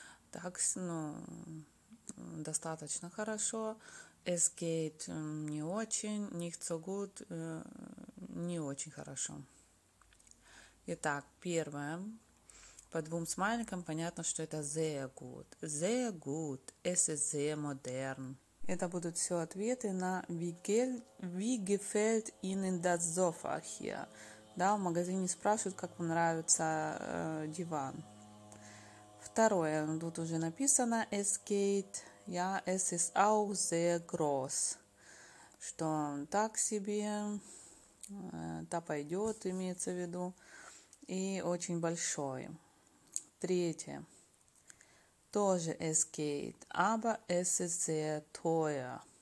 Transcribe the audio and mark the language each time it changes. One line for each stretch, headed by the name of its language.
Russian: Так, ну, достаточно хорошо.
German: Es geht
Russian: не очень,
German: nicht so gut,
Russian: не очень хорошо. Итак, первое. По двум смайликам понятно, что это sehr gut.
German: Sehr gut. Es ist sehr modern.
Russian: Это будут все ответы на
German: wie gefällt Ihnen das Sofa hier?
Russian: Да, в магазине спрашивают, как вам нравится диван. Второе. Тут уже написано es geht.
German: Ja, es ist auch sehr groß.
Russian: Что так себе, та пойдет, имеется в виду, и очень большой. Третье.
German: Тоже es geht, aber es ist sehr teuer.